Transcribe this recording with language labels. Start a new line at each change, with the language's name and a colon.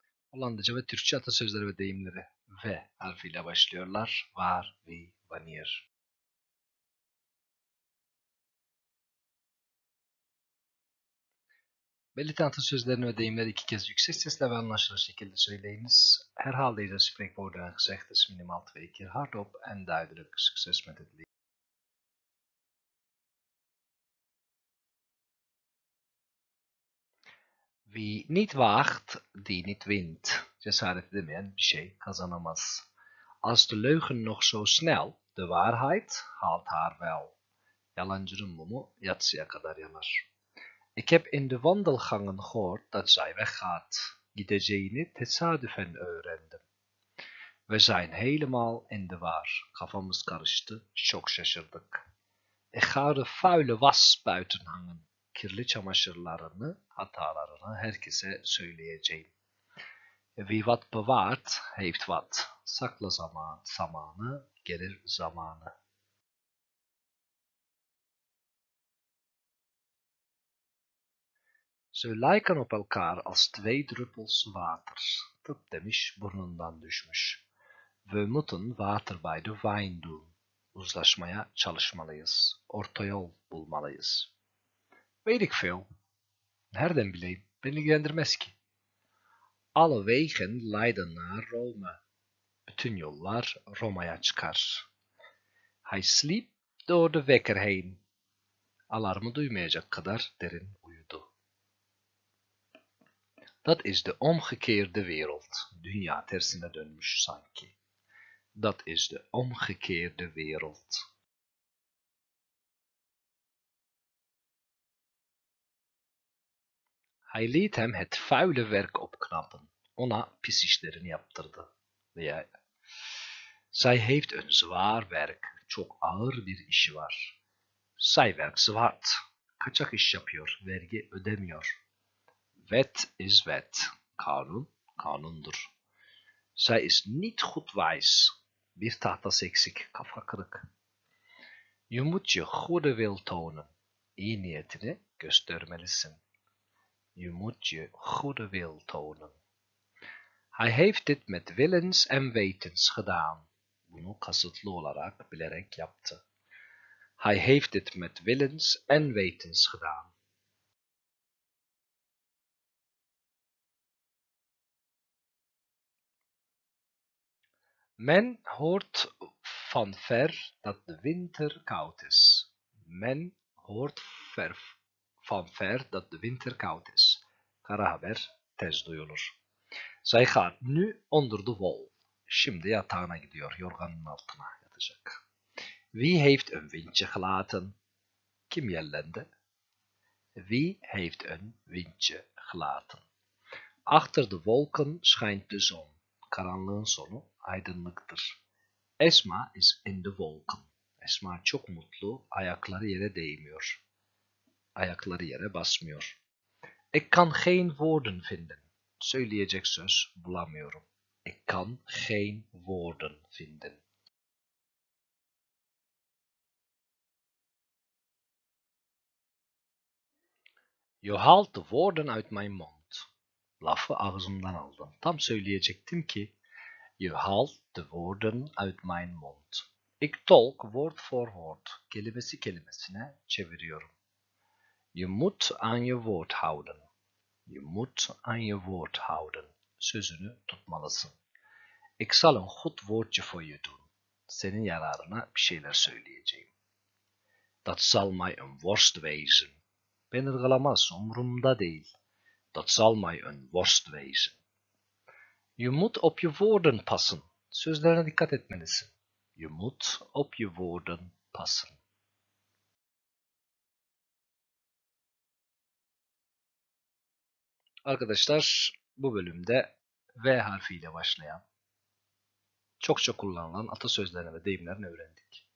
Turkish: Hollandca ve Türkçe atasözleri ve deyimleri V harfi ile başlıyorlar.
Dutch: Var, wie, wanneer.
Turkish: Belli tanıtı sözlerini ve deyimleri iki kez yüksek sesle ve anlaşılır şekilde söyleyiniz.
Dutch: Herhalde ise spreekwoorden gezegd is minimaal twee keer hardop en duidelijk. Succes met het leren. Wie niet waagt, die niet wint.
Turkish: Cesaret edemeyen bir şey kazanamaz.
Dutch: Als de leugen nog zo snel, de waarheid haalt haar wel.
Turkish: Yalancının mumu yatsıya kadar yanar.
Dutch: Ik heb in de wandelgangen gehoord dat zij weggaat.
Turkish: Gideceğini tesadüfen öğrendim.
Dutch: We zijn helemaal in de war.
Turkish: Kafamız karıştı, çok şaşırdık.
Dutch: Ik ga de vuile was buiten hangen.
Turkish: Kirli çamaşırlarını, hatalarını herkese söyleyeceğim.
Dutch: Wie wat bewaart, heeft wat.
Turkish: Sakla zamanı, gelir zamanı.
Dutch: Ze lijken op elkaar als twee druppels water.
Turkish: Dat demiş, burnundan düşmüş.
Dutch: We moeten water bij de wijn doen.
Turkish: Uzlaşmaya çalışmalıyız. Orta yol bulmalıyız.
Dutch: Weet ik veel.
Turkish: Nereden bileyim? Beni ilgilendirmez ki.
Dutch: Alle wegen leiden naar Rome.
Turkish: Bütün yollar Roma'ya çıkar.
Dutch: Hij sliep door de wekker heen.
Turkish: Alarmı duymayacak kadar derin.
Dutch: Dat is de omgekeerde wereld.
Turkish: Dünya tersine dönmüş sanki.
Dutch: Dat is de omgekeerde wereld. Hij liet hem het vuile werk opknappen.
Turkish: Ona pis işlerini yaptırdı.
Dutch: Veya zij heeft een zwaar werk.
Turkish: Çok ağır bir işi var.
Dutch: Zij werkt zwart.
Turkish: Kaçak iş yapıyor. Vergi ödemiyor.
Dutch: Wet is wet.
Turkish: Kanun, kanundur.
Dutch: Zij is niet goed wijs.
Turkish: Bir tahtası eksik, kafa kırık.
Dutch: Je moet je goede wil tonen.
Turkish: İyi niyetini göstermelisin.
Dutch: Je moet je goede wil tonen. Hij heeft dit met willens en wetens gedaan.
Turkish: Bunu kasıtlı olarak bilerek yaptı.
Dutch: Hij heeft dit met willens en wetens gedaan. Men hoort van ver dat de winter koud is. Men hoort van ver dat de winter koud is.
Turkish: Kara haber tez duyulur.
Dutch: Zij gaat nu onder de wol.
Turkish: Şimdi yatağına gidiyor. Yorganın altına yatacak.
Dutch: Wie heeft een windje gelaten?
Turkish: Kim yellendi?
Dutch: Wie heeft een windje gelaten? Achter de wolken schijnt de zon.
Turkish: Karanlığın sonu aydınlıktır.
Dutch: Esma is in the wolken.
Turkish: Esma çok mutlu, ayakları yere değmiyor. Ayakları yere basmıyor.
Dutch: Ik kan geen woorden vinden.
Turkish: Söyleyecek söz bulamıyorum.
Dutch: Ik kan geen woorden vinden. Je haalt de woorden uit mijn mond.
Turkish: Lafı ağzımdan aldım. Tam söyleyecektim ki.
Dutch: Je haalt de woorden uit mijn mond. Ik tolk woord voor woord.
Turkish: Kelimesi kelimesine çeviriyorum.
Dutch: Je moet aan je woord houden. Je moet aan je woord houden.
Turkish: Sözünü tutmalısın.
Dutch: Ik zal een goed woordje voor je doen.
Turkish: Senin yararına bir şeyler söyleyeceğim.
Dutch: Dat zal mij een worst wezen.
Turkish: Ben ırgılamaz, umurumda değil.
Dutch: Dat zal mij een worst wezen. Je moet op je woorden passen.
Turkish: Sözlerine dikkat etmelisin.
Dutch: Je moet op je woorden passen.
Turkish: Arkadaşlar, bu bölümde V harfiyle başlayan, çokça kullanılan atasözlerini ve deyimlerini öğrendik.